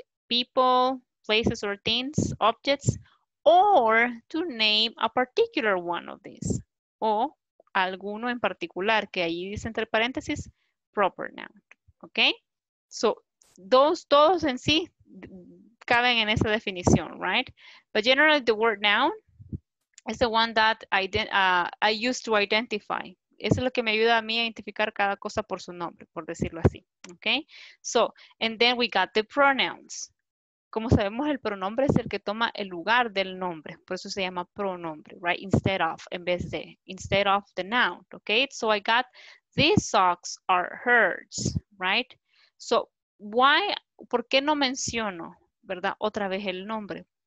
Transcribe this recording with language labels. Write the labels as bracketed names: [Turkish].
[English] People, places or things, objects, or to name a particular one of these, [Spanish] o alguno en particular, que ahí dice entre paréntesis, [English] proper noun, okay? [Spanish] So, todos en sí caben en esa definición, right? [English] But generally the word noun is the one that I used to identify. [Spanish] Eso es lo que me ayuda a mí a identificar cada cosa por su nombre, por decirlo así, okay? [English] So, and then we got the pronouns. [Spanish] Como sabemos, el pronombre es el que toma el lugar del nombre. Por eso se llama pronombre, right? Instead of the noun, okay? [English] So I got, these socks are hers, right? So why, [Spanish] ¿por qué no menciono, verdad, otra vez el nombre?